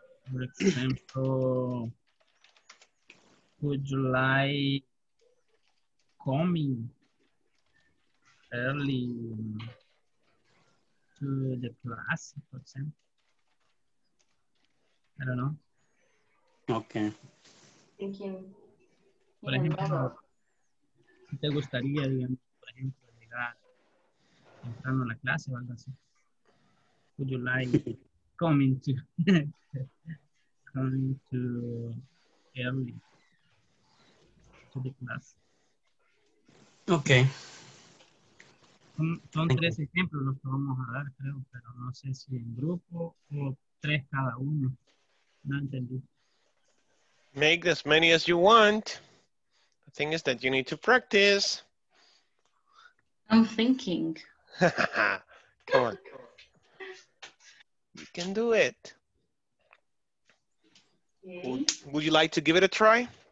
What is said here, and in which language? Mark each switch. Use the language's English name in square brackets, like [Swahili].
[Spanish] Por ejemplo, [English] would you like coming early to the class, for example. I don't know. Okay. Thank you. [Spanish] Por ejemplo, ¿te gustaría, digamos, por ejemplo, llegar entrando a la clase o algo así? [English] Would you like coming to early to the class? Okay. [Spanish] Son tres ejemplos los que vamos a dar, creo, pero no sé si en grupo o tres cada uno. No entendí. [English] Make as many as you want. The thing is that you need to practice. I'm thinking. Come on. can do it. Okay. Would you like to give it a try?